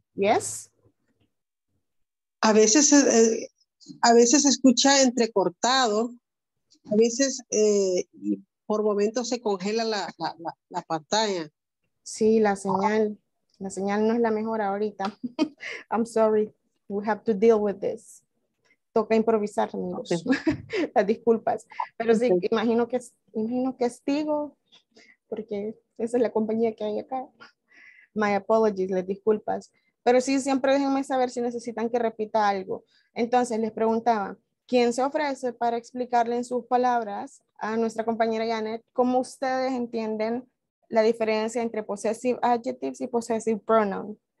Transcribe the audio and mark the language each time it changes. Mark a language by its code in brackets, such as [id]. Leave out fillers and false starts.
[en] Yes. [es] A veces escucha entrecortado, a veces por momentos se congela la pantalla. Sí, la señal no es la mejor ahorita. [en] I'm sorry, we have to deal with this. [es] Toca improvisar, amigos. Okay. Las disculpas. Pero sí, okay. imagino que es Tigo, porque esa es la compañía que hay acá. [en] My apologies, [es] les disculpas. Pero sí, siempre déjenme saber si necesitan que repita algo. Entonces, les preguntaba, ¿quién se ofrece para explicarle en sus palabras a nuestra compañera Janet cómo ustedes entienden la diferencia entre possessive adjectives y possessive pronouns?